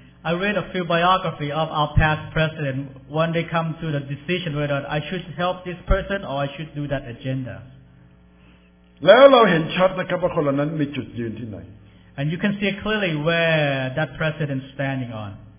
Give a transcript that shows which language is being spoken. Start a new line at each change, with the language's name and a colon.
English: I read a few biography of our past president when they come to the decision whether I should help this person or I should do that agenda.
Thai: แล้วเราเห็นชัดนะครับว่าคนเหล่านั้นมีจุดยืนที่ไหน
English: And you can see clearly where that president is standing on.